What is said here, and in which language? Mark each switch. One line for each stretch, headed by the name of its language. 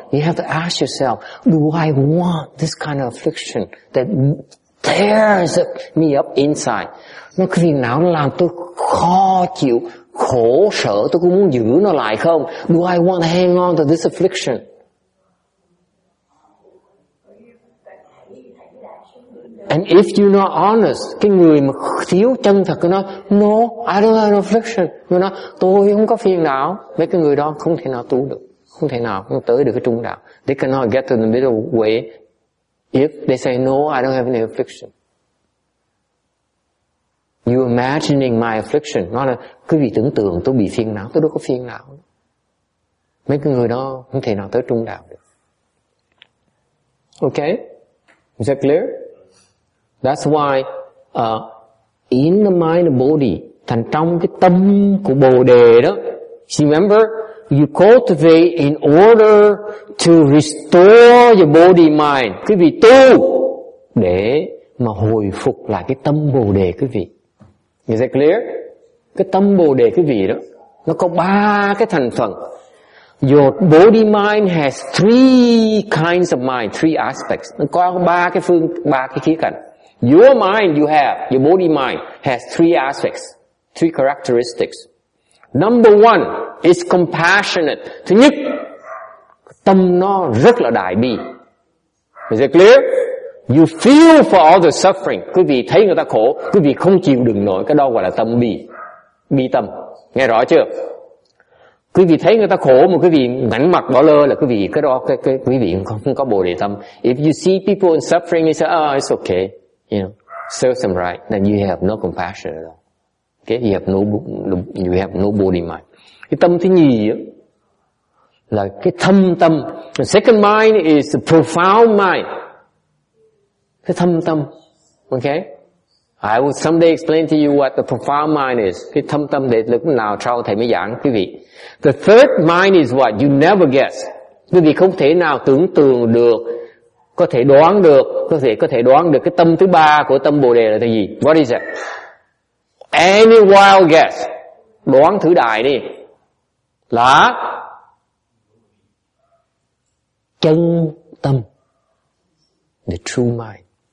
English: You have to ask yourself, do I want this kind of affliction that tears me up inside?
Vietnamese: Nó cái phiền não nó làm tôi khó chịu, khổ sở, tôi có muốn giữ nó lại không?
English: Do I want to hang on to this affliction? And if you're not honest,
Vietnamese: cái người mà thiếu chân thật cứ nói,
English: no, I don't have an affliction.
Vietnamese: Người nói, tôi không có phiền não. Với cái người đó không thể nào tu được. Không thể nào không tới được cái trung đạo.
English: They cannot get to the middle way if they say, no, I don't have any affliction. You're imagining my affliction.
Vietnamese: Nó là, quý vị tưởng tượng tôi bị phiền não, tôi đâu có phiền não. Mấy cái người đó không thể nào tới trung đạo được.
English: Okay? Is that clear? That's why in the mind and body,
Vietnamese: thành trong cái tâm của Bồ Đề đó,
English: see, remember, you cultivate in order to restore your body mind.
Vietnamese: Quý vị tu để mà hồi phục lại cái tâm Bồ Đề quý vị.
English: Is that clear?
Vietnamese: Cái tâm Bồ Đề quý vị đó, nó có ba cái thành phần.
English: Your body mind has three kinds of mind, three aspects.
Vietnamese: Nó có ba cái khía cạnh.
English: Your mind you have, your body mind has three aspects, three characteristics. Number one is compassionate.
Vietnamese: Thứ nhất, tâm nó rất là đại bi.
English: Is it clear? You feel for all the suffering.
Vietnamese: Quý vị thấy người ta khổ, quý vị không chịu đựng nổi, cái đó gọi là tâm bi. Bi tâm. Nghe rõ chưa? Quý vị thấy người ta khổ mà quý vị ngảnh mặt bỏ lơ là quý vị không có Bồ Đề tâm.
English: If you see people in suffering, you say, oh, it's okay. You know, serve them right, then you have no compassion at all. Okay, you have no body mind.
Vietnamese: Cái tâm thứ nhì á, là cái thâm tâm.
English: The second mind is the profound mind.
Vietnamese: Cái thâm tâm.
English: Okay? I will someday explain to you what the profound mind is.
Vietnamese: Cái thâm tâm để lúc nào sau thầy mới giảng quý vị.
English: The third mind is what you never guess.
Vietnamese: Quý vị không thể nào tưởng tượng được, có thể đoán được cái tâm thứ ba của tâm Bồ Đề là cái gì.
English: What is it? Any wild guess.
Vietnamese: Đoán thử đại đi. Là chân tâm.
English: The true mind.